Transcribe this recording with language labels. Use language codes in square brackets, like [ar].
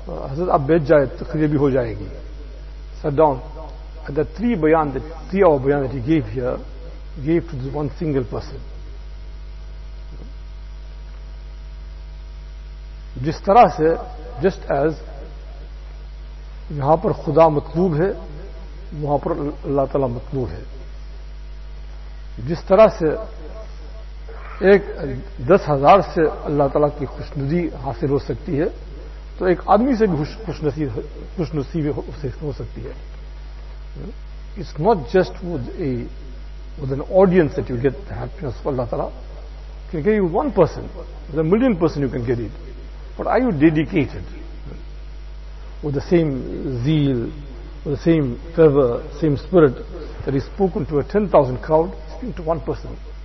[ur] حضرت اب بیٹھ جائے تقریر بھی ہو جائے گی. [en] Sat down. And the three hour bayan that he gave here, gave to this one single person. [ur] جس طرح سے, [en] just as [ur] یہاں پر خدا مطلوب ہے, وہاں پر اللہ تعالی مطلوب ہے. جس طرح سے ایک 10,000 سے اللہ تعالی کی خوشنودی حاصل ہو سکتی ہے, تو ایک آدمی سے بھی خوش نصیب ہو سکتی ہے. [en] It's not just with an audience that you get the happiness of Allah Ta'ala. You can get it with one person. With a million person you can get it. But are you dedicated? With the same zeal, with the same fervor, same spirit that is spoken to a 10,000 crowd, speaking to one person.